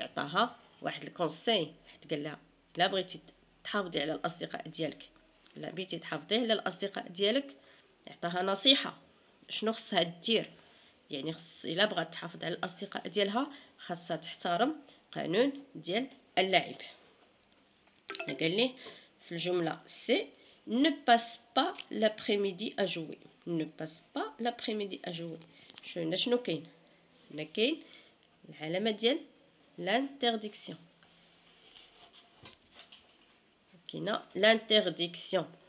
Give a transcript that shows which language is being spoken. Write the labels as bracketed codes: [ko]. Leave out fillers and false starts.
[ar] عطاها واحد الكونساي حيت قال لها الا بغيتي تحافظي على الاصدقاء ديالك الا بغيتي تحافظي على الاصدقاء ديالك عطاها نصيحه شنو خصها دير. يعني خص الا بغات تحافظ على الاصدقاء ديالها خاصها تحترم قانون ديال اللاعب. قال لي في الجمله سي [fr] ne passe pas l'après-midi à jouer. Ne passe pas l'après-midi à jouer. [ar] شنو كاين؟ هنا كاين العلامه ديال l'interdiction. كاينه l'interdiction.